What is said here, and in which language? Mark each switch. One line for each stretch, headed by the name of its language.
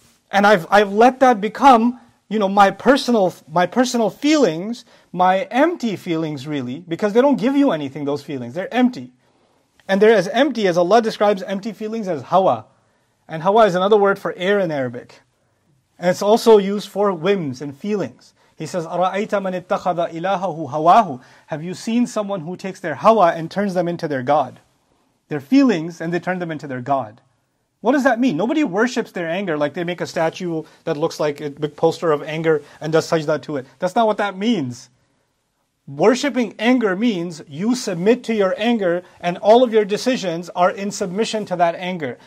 English: And I've let that become, you know, my personal feelings, my empty feelings really, because they don't give you anything, those feelings. They're empty. And they're as empty as Allah describes empty feelings as hawa. And hawa is another word for air in Arabic. And it's also used for whims and feelings. He says,
Arabic: أَرَأَيْتَ مَنِ اتَّخَذَ إِلَهَهُ هَوَاهُ.
English: Have you seen someone who takes their hawa and turns them into their God? Their feelings, and they turn them into their God. What does that mean? Nobody worships their anger like they make a statue that looks like a big poster of anger and does sajda to it. That's not what that means. Worshipping anger means you submit to your anger and all of your decisions are in submission to that anger.